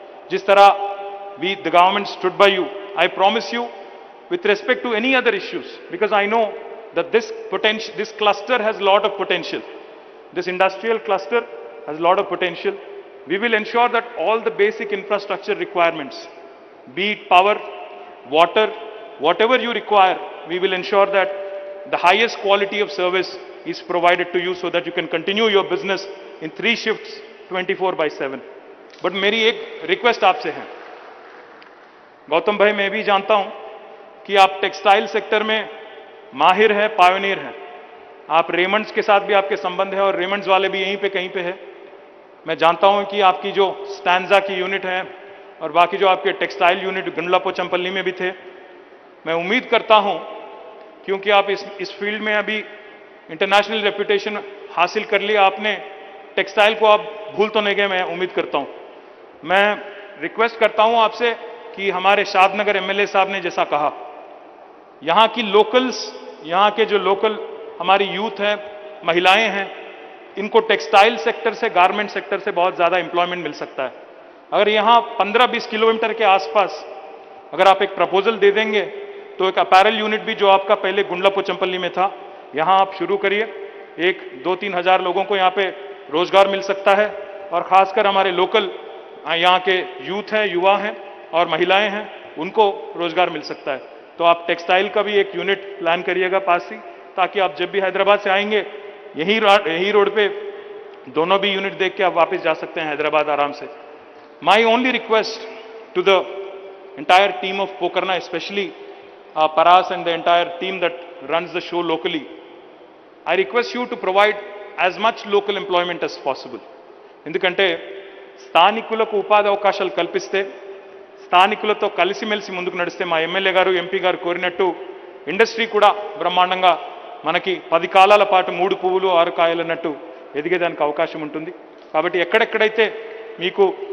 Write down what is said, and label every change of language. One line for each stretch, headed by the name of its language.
Hindi: जिस तरह
English: We the government stood by you, I promise you with respect to any other issues, because I know that this cluster has lot of potential, this industrial cluster has lot of potential, we will ensure that all the basic infrastructure requirements, be it power, water, whatever you require, we will ensure that the highest quality of service is provided to you so that you can continue your business in 3 shifts 24/7.
Hindi: But meri ek request aap se hai, Gautam bhai, main bhi janta hu ki aap textile sector mein mahir hai, pioneer hai, aap Raymonds ke sath bhi aapke sambandh hai aur Raymonds wale bhi yahi pe kahin pe hai, main janta hu ki aapki jo stanza ki unit hai aur baki jo aapke textile unit gundlapo champalli mein bhi the, main ummeed karta hu kyunki aap is field mein abhi international reputation हासिल कर लिया आपने, textile को आप भूल तो नहीं गए मैं उम्मीद करता हूं। मैं रिक्वेस्ट करता हूं आपसे कि हमारे शादनगर एमएलए साहब ने जैसा कहा, यहां की लोकल्स, यहां के जो लोकल हमारी यूथ हैं, महिलाएं हैं, इनको टेक्सटाइल सेक्टर से, गारमेंट सेक्टर से बहुत ज्यादा एम्प्लॉयमेंट मिल सकता है। अगर यहां 15-20 किलोमीटर के आसपास अगर आप एक प्रपोजल दे देंगे तो एक अपैरल यूनिट भी जो आपका पहले गुंडलापो चंपल्ली में था, यहां आप शुरू करिए, 1-2-3 हजार लोगों को यहां पे रोजगार मिल सकता है, और खासकर हमारे लोकल यहां के यूथ हैं, युवा हैं और महिलाएं हैं, उनको रोजगार मिल सकता है। तो आप टेक्सटाइल का भी एक यूनिट प्लान करिएगा पास ही, ताकि आप जब भी हैदराबाद से आएंगे यही रोड पे दोनों भी यूनिट देख के आप वापस जा सकते हैं हैदराबाद आराम से।
English: My only request to the entire team of Pokarna, specially Paras and the entire team that runs the show locally, I request you to provide as much local employment as possible.
Telugu: ఎందుకంటే స్థానికులకు ఉపాధి అవకాశాలు కల్పిస్తే స్థానికులతో కలిసిమెలిసి ముందుకు నడిస్తే మా ఎమ్మెల్యే గారు ఎంపీ గారు కోరినట్టు ఇండస్ట్రీ కూడా బ్రహ్మాండంగా మనకి 10 కాలాల పాటు మూడు పువ్వులు ఆరు కాయలన్నట్టు ఎదిగేదానికి అవకాశం ఉంటుంది కాబట్టి ఎక్కడెక్కడైతే మీకు